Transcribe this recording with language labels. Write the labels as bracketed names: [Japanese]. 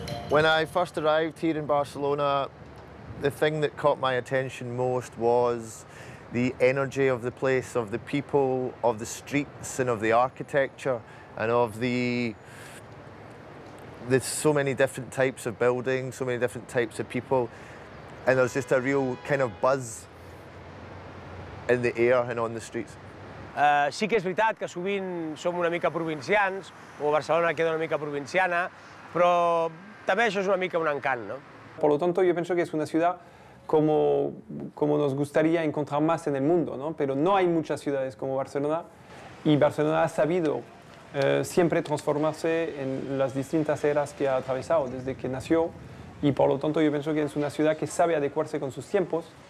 [English] When I first arrived here in Barcelona, the thing that caught my attention most was the energy of the place, of the people, of the streets and of the architecture, and of there's so many different types of buildings, so many different types of people, and there's just a real kind of buzz in the air and on the streets. [Catalan] Sí que és veritat que sovint som una mica provincians, o Barcelona queda una mica provinciana, però també això és una mica un encant, no? [Spanish] Por lo tanto, yo pienso que es una ciudad como nos gustaría encontrar más en el mundo, ¿no? Pero no hay muchas ciudades como Barcelona, y Barcelona ha sabido siempre transformarse en las distintas eras que ha atravesado desde que nació, y por lo tanto, yo pienso que es una ciudad que sabe adecuarse con sus tiempos.